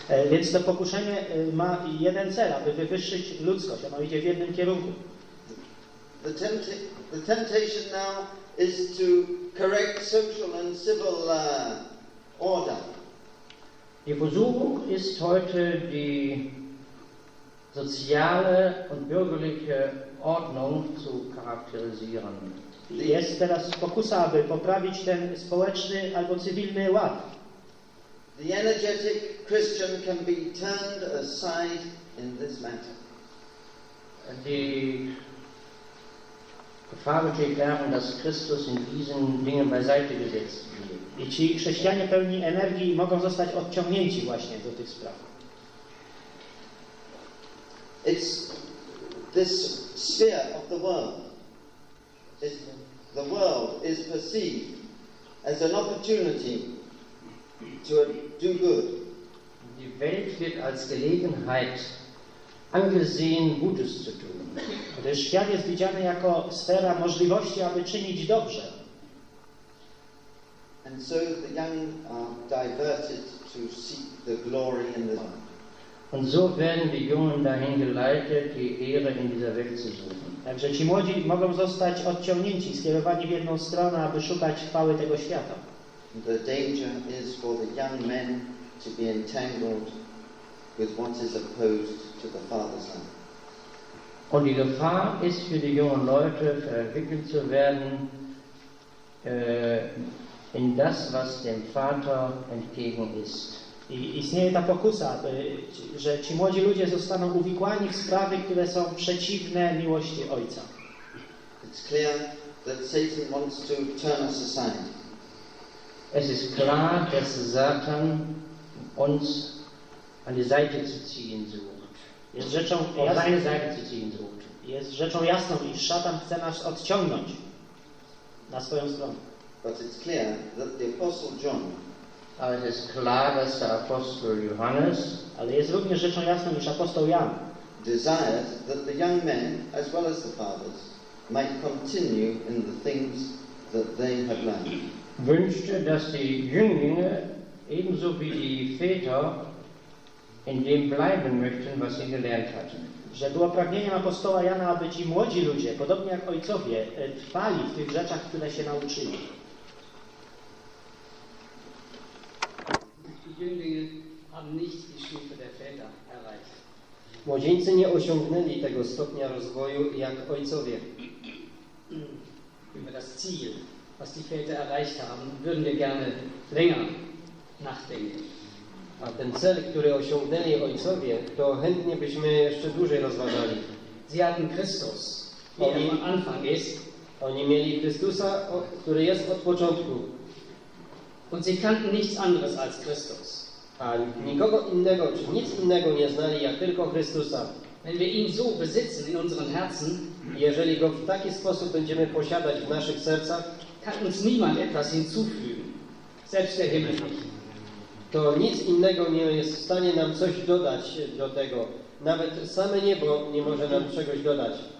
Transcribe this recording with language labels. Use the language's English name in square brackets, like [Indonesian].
[Polish] Więc to pokuszenie ma jeden cel, aby wywyższyć ludzkość, ono idzie w jednym kierunku. [English] The temptation now is to correct social and civil order. [German] Die Versuchung ist heute die soziale und bürgerliche Ordnung zu charakterisieren. [Polish] Jest teraz pokusa, aby poprawić ten społeczny albo cywilny ład. [English] The energetic Christian can be turned aside in this matter. [German] Die Gefahr besteht darin, dass Christus in diesen Dingen beiseite gesetzt wird. [Polish] I ci chrześcijanie pełni energii mogą zostać odciągnięci właśnie do tych spraw. [English] It's this sphere of the world. The world is perceived as an opportunity to do good. [German] Die Welt wird als Gelegenheit angesehen, Gutes zu tun. [Polish] Gdyż świat jest widziany jako sfera możliwości, aby czynić dobrze. [English] And so the young are diverted to seek the glory in the world. [German] Und so werden die Jungen dahin geleitet, die Ehre in dieser Welt zu suchen. [Polish] Także ci młodzi mogą zostać odciągnięci, skierowani w jedną stronę, aby szukać chwały tego świata. [English] The danger is for the young men to be entangled with what is opposed to the Father's love. [German] Und die Gefahr ist für die jungen Leute, verwickelt zu werden in das, was dem Vater entgegen ist. [Polish] I istnieje ta pokusa, aby, że ci młodzi ludzie zostaną uwikłani w sprawy, które są przeciwne miłości Ojca. [English] It's clear that Satan wants to turn us aside. [German] Es ist klar, dass Satan uns an die Seite zu ziehen sucht. [Polish] Jest rzeczą jasną, [German] seine Seite zu ziehen sucht. [Polish] Jest rzeczą jasną, iż Szatan chce nas odciągnąć na swoją stronę. But it's clear that the Apostle John Ale to jest [German] klar, dass der Apostel Johannes, [Polish] ale jest również rzeczą jasną, iż apostoł Jan [English] desired that the young men as well as the fathers might continue in the things that they had learned. [German] Wünschte, dass die Jünglinge ebenso wie die Väter in dem bleiben möchten, was sie gelernt hatten. [Polish] Że było pragnieniem apostoła Jana, aby ci młodzi ludzie, podobnie jak ojcowie, trwali w tych rzeczach, które się nauczyli. Młodzieńcy nie osiągnęli tego stopnia rozwoju jak ojcowie. [German] Über das Ziel, was die Väter erreicht haben, würden wir gerne länger nachdenken. [Polish] A ten cel, który osiągnęli ojcowie, to chętnie byśmy jeszcze dłużej rozważali. [German] Sie hatten Christus, wie am Anfang ist. [Polish] Oni mieli Chrystusa, który jest od początku. [German] Und sie kannten nichts anderes als Christus. [Polish] A nikogo innego, czy nic innego nie znali, jak tylko Chrystusa. [German] Wenn wir ihn so besitzen in unseren Herzen, [Polish] jeżeli go w taki sposób będziemy posiadać w naszych sercach, [German] kann uns niemand etwas hinzufügen, selbst der Himmel nicht. [Polish] To nic innego nie jest w stanie nam coś dodać do tego. Nawet same niebo nie może nam czegoś dodać.